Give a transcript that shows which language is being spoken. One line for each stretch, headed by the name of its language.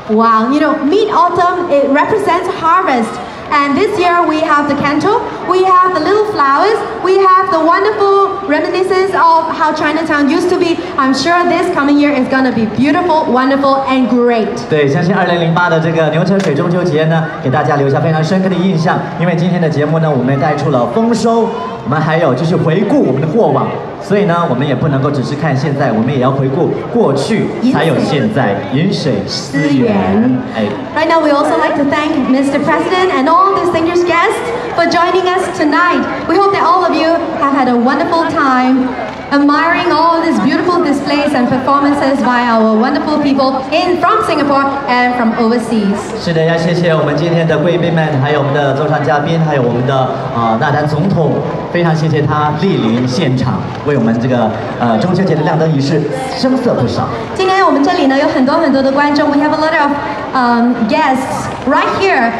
English: Wow, you know, Mid Autumn, it represents harvest. And this year we have the candle, we have the little flowers, we have the wonderful reminiscences of how Chinatown used to be. I'm sure this coming year is going to be beautiful, wonderful and great.
Chinese: 对，相信2008的这个牛车水中秋节呢，给大家留下非常深刻的印象。因为今天的节目呢，我们带出了丰收，我们还有就是回顾我们的过往。所以呢，我们也不能够只是看现在，我们也要回顾过去，才有现在。饮水思源。
English: Right now, we also like to thank Mr. President and all distinguished guests for joining us tonight. We hope that all of you have had a wonderful time admiring all these beautiful displays and performances by our wonderful people in from Singapore and from overseas.
Chinese: 是的，要谢谢我们今天的贵宾们，还有我们的座上嘉宾，还有我们的纳丹总统。非常谢谢他莅临现场，为我们这个中秋节的亮灯仪式声色不少。今天我们这里呢有很多很多的观众 ，
English: We have a lot of guests right here.